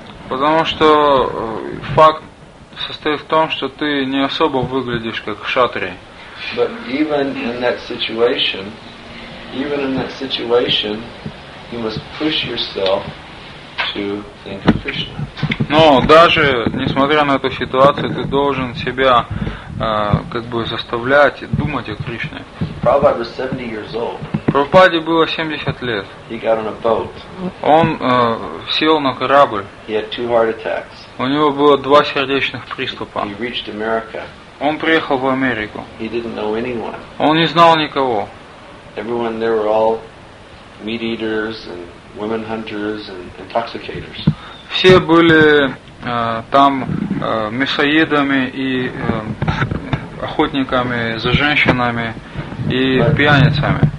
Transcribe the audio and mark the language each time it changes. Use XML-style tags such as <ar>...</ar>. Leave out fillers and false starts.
<ru>Потому что факт состоит в том, что ты не особо выглядишь как кшатрий.</ru> <en>But even in that situation, you must push yourself to think of Krishna.</en> <ru>Но даже несмотря на эту ситуацию, ты должен себя как бы заставлять думать о Кришне.</ru> <en>Prabhupada was 70 years old.</en> <ru>Прабхупаде было 70 лет.</ru> <en>He got on a boat.</en> <ru>Он сел на корабль.</ru> <en>He had two heart attacks.</en> <ru>У него было два сердечных приступа.</ru> <en>He reached America.</en> <ru>Он приехал в Америку.</ru> <en>He didn't know anyone.</en> <ru>Он не знал никого.</ru> <en>Everyone there were all meat eaters and women hunters and intoxicators.</en> <ru>Все были там мясоедами и охотниками за женщинами и пьяницами.</ru>